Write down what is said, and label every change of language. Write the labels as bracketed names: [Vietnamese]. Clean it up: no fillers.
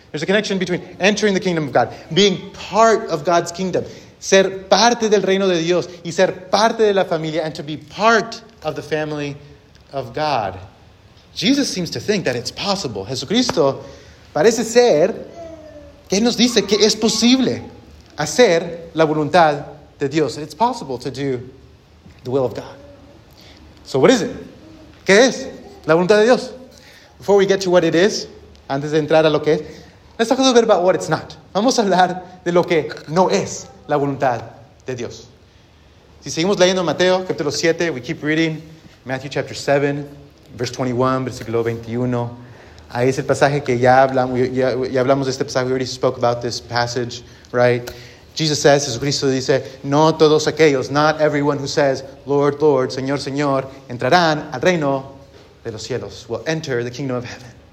[English] There's a connection between entering the kingdom of God, being part of God's kingdom, [Spanish] ser parte del reino de Dios y ser parte de la familia, [English] and to be part of the family of God. Jesus seems to think that it's possible. [Spanish] Jesucristo parece ser que nos dice que es posible hacer la voluntad de Dios. [English] It's possible to do the will of God. So what is it? [Spanish] ¿Qué es la voluntad de Dios? [English] Before we get to what it is, [Spanish] antes de entrar a lo que es, [English] let's talk a little bit about what it's not. [Spanish] Vamos a hablar de lo que no es la voluntad de Dios. Si seguimos leyendo Mateo, capítulo 7, [English] we keep reading, Matthew chapter 7, verse 21, [Spanish] versículo 21. Ahí es el pasaje que ya hablamos de este pasaje. [English] We already spoke about this passage, right? Jesus says, [Spanish] Jesucristo dice, no todos aquellos, [English] not everyone who says, Lord, Lord, [Spanish] Señor, Señor, entrarán al reino de los cielos, [English] will enter the kingdom of heaven.